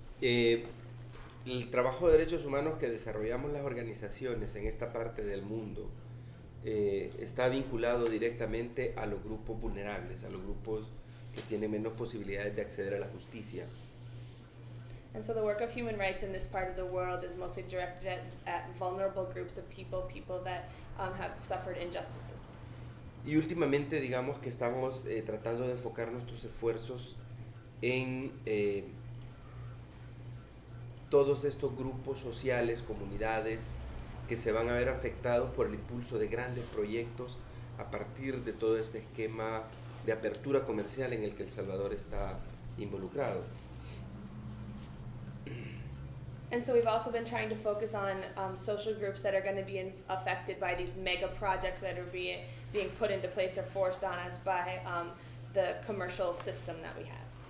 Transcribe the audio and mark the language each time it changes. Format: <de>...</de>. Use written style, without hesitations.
<es>El trabajo de derechos humanos que desarrollamos las organizaciones en esta parte del mundo está vinculado directamente a los grupos vulnerables, a los grupos que tienen menos posibilidades de acceder a la justicia.</es> <en>And so the work of human rights in this part of the world is mostly directed at vulnerable groups of people, people that have suffered injustices.</en> <es>Y últimamente digamos que estamos tratando de enfocar nuestros esfuerzos en todos estos grupos sociales, comunidades, que se van a ver afectados por el impulso de grandes proyectos a partir de todo este esquema de apertura comercial en el que El Salvador está involucrado.</es> <en>And so we've also been trying to focus on social groups that are going to be affected by these mega projects that are being put into place or forced on us by the commercial system that we have.</en>